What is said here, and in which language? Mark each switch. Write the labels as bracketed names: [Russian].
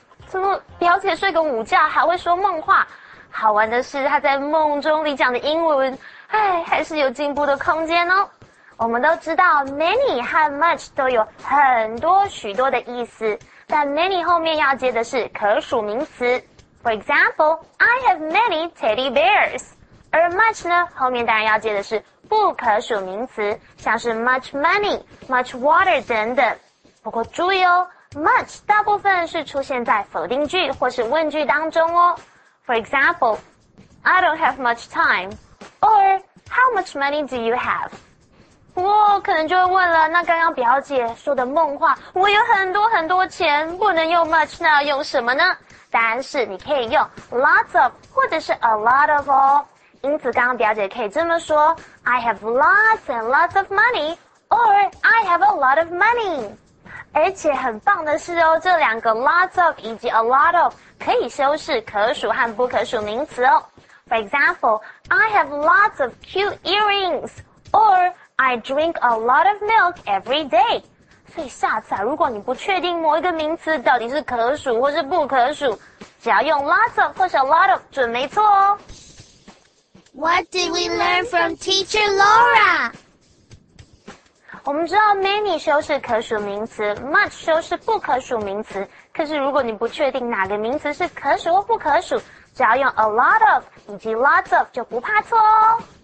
[Chinese] 怎么表姐睡个午觉还会说梦话？好玩的是，她在梦中里讲的英文，哎，还是有进步的空间哦。我们都知道 many 和 much 都有很多许多的意思，但 many 后面要接的是可数名词。 [English] For example, I have many teddy bears. [Chinese] 而 much 呢，后面当然要接的是不可数名词，像是 much money, much water 等等。不过注意哦， much 大部分是出现在否定句或是问句当中哦。 [English] For example, I don't have much time. Or, how much money do you have? [Chinese] 不过可能就会问了，那刚刚表姐说的梦话，我有很多很多钱，不能用 much， 那要用什么呢？答案是你可以用 lots of 或者是 a lot of 哦。因此刚刚表姐可以这么说 ， [English] I have lots and lots of money， or I have a lot of money。 [Chinese] 而且很棒的是哦，这两个 lots of 以及 a lot of 可以修饰可数和不可数名词哦。 [English] For example， I have lots of cute earrings， or I drink a lot of milk every day. [Chinese] 所以下次啊，如果你不确定某一个名词到底是可数或是不可数，只要用 lots of 或是 a lot of 准没错哦。 [English] What did we learn from Teacher Laura? [Chinese] 我们知道 many 修饰可数名词， much 修饰不可数名词。可是如果你不确定哪个名词是可数或不可数，只要用 a lot of 以及 lots of 就不怕错哦。